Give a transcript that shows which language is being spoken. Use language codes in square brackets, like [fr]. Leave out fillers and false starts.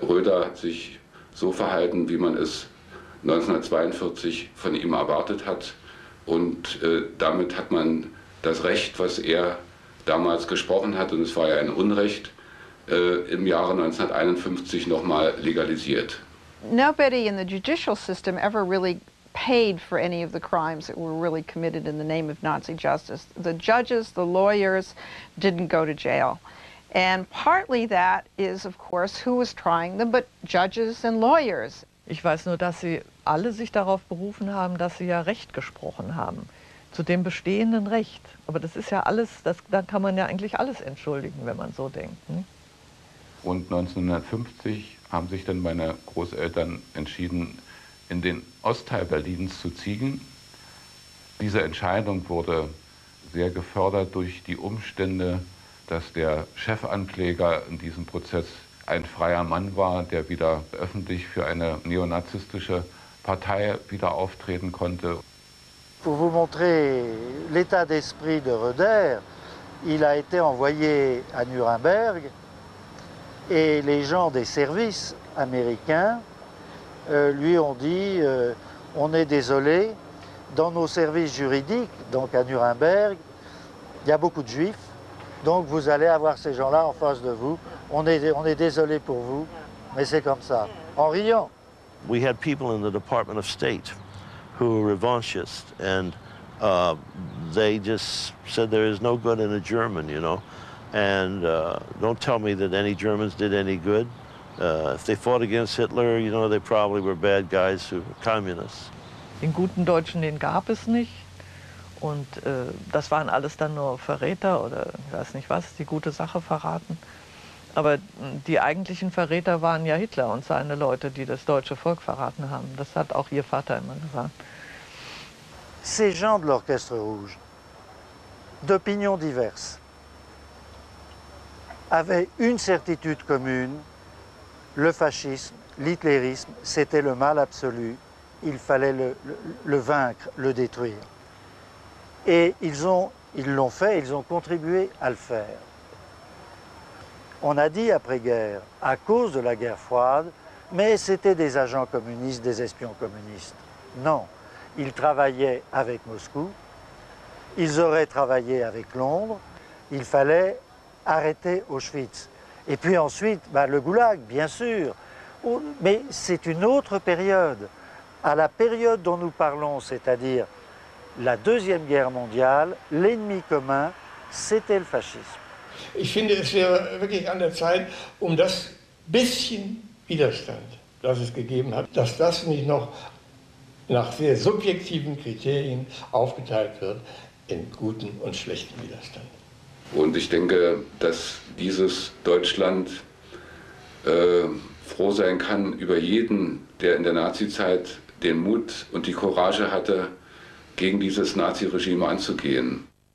[de] Röder hat sich so verhalten, wie man es 1942 von ihm erwartet hat. Und damit hat man das Recht, was er damals gesprochen hat, und es war ja ein Unrecht, im Jahre 1951 nochmal legalisiert. [en] Nobody in the judicial system ever really paid for any of the crimes that were really committed in the name of Nazi justice. The judges, the lawyers didn't go to jail. And partly that is, of course, who was trying them, but judges and lawyers. [de] Ich weiß nur, dass sie alle sich darauf berufen haben, dass sie ja Recht gesprochen haben. Zu dem bestehenden Recht. Aber das ist ja alles, dann kann man ja eigentlich alles entschuldigen, wenn man so denkt. Hm? Und 1950 haben sich dann meine Großeltern entschieden, in den Ostteil Berlins zu ziehen. Diese Entscheidung wurde sehr gefördert durch die Umstände, dass der Chefankläger in diesem Prozess ein freier Mann war, der wieder öffentlich für eine neonazistische Partei wieder auftreten konnte. [fr] Pour vous montrer l'état d'esprit de Röder, il a été envoyé à Nuremberg. Et les gens des services américains lui ont dit « On est désolé, dans nos services juridiques, donc à Nuremberg, il y a beaucoup de juifs, donc vous allez avoir ces gens-là en face de vous. On est désolé pour vous, mais c'est comme ça, en riant. [en] We had people in the Department of State who were revanchist, and they just said there is no good in a German, you know. And don't tell me that any Germans did any good. If they fought against Hitler, you know, they probably were bad guys who were communists. [de] Den guten Deutschen, den gab es nicht. Und das waren alles dann nur Verräter oder ich weiß nicht was, die gute Sache verraten. Aber die eigentlichen Verräter waren ja Hitler und seine Leute, die das deutsche Volk verraten haben. Das hat auch ihr Vater immer gesagt. [fr] Ces gens de l'Orchestre Rouge, d'opinions diverses, avaient une certitude commune, le fascisme, l'hitlérisme, c'était le mal absolu. Il fallait le vaincre, le détruire. Et ils l'ont fait, ils ont contribué à le faire. On a dit après-guerre, à cause de la guerre froide, mais c'était des agents communistes, des espions communistes. Non, ils travaillaient avec Moscou, ils auraient travaillé avec Londres, il fallait arrêter Auschwitz. Et puis ensuite, bah, le goulag, bien sûr, mais c'est une autre période. À la période dont nous parlons, c'est-à-dire la Deuxième Guerre mondiale, l'ennemi commun, c'était le fascisme. [de] Ich finde, es wäre wirklich an der Zeit, um das bisschen Widerstand, das es gegeben hat, dass das nicht noch nach sehr subjektiven Kriterien aufgeteilt wird in guten und schlechten Widerstand. Und ich denke, dass dieses Deutschland froh sein kann über jeden, der in der Nazizeit den Mut und die Courage hatte, gegen dieses Nazi-Regime anzugehen.